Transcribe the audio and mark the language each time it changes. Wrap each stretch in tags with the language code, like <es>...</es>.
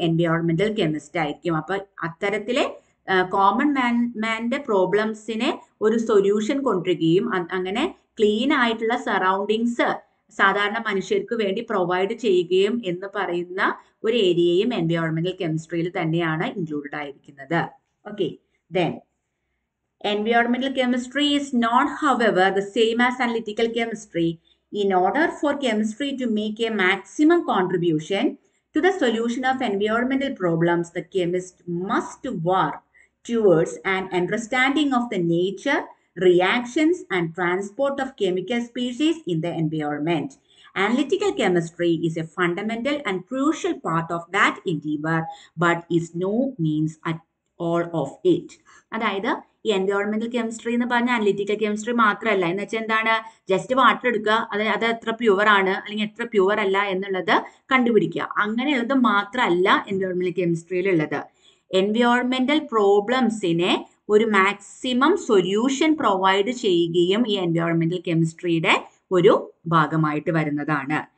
<ml>എൻവയോൺമെന്റൽ chemist ആയിരിക്കും. അപ്പൊ അത്തരത്തിലെ common മാൻ്റെ പ്രോബ്ലംസിനെ ഒരു സൊല്യൂഷൻ കൊണ്ടുവരികയും അങ്ങനെ ക്ലീൻ ആയിട്ടുള്ള സറൗണ്ടിങ്സ് സാധാരണ മനുഷ്യർക്ക് വേണ്ടി പ്രൊവൈഡ് ചെയ്യുകയും എന്ന് പറയുന്ന ഒരു ഏരിയയും എൻവയോൺമെന്റൽ കെമിസ്ട്രിയിൽ തന്നെയാണ് ഇൻക്ലൂഡഡ് ആയിരിക്കുന്നത്.</ml> <en>Okay, then എൻവയോൺമെന്റൽ chemistry is not however the same as analytical chemistry. In order for chemistry to make A maximum contribution to the solution of environmental problems, the chemist must work towards an understanding of the nature, reactions and transport of chemical species in the environment. Analytical chemistry is a fundamental and crucial part of that endeavor, but is no means at all of it.</en> <ml>അതായത് ഈ എൻവയോൺമെന്റൽ chemistry എന്ന് പറഞ്ഞ analytical chemistry മാത്രമല്ല. എന്ന് വെച്ചാൽ എന്താണ്, just water എടുക്കുക, അത് എത്ര പ്യുവർ ആണ് അല്ലെങ്കിൽ എത്ര പ്യുവർ അല്ല എന്നുള്ളത് കണ്ടുപിടിക്കുക, അങ്ങനെയുള്ളത് മാത്രമല്ല എൻവയോൺമെന്റൽ കെമിസ്ട്രിയിൽ ഉള്ളത്. എൻവയോൺമെന്റൽ പ്രോബ്ലംസിനെ ഒരു മാക്സിമം സൊല്യൂഷൻ പ്രൊവൈഡ് ചെയ്യുകയും ഈ എൻവയോൺമെന്റൽ കെമിസ്ട്രിയുടെ ഒരു ഭാഗമായിട്ട് വരുന്നതാണ്.</ml>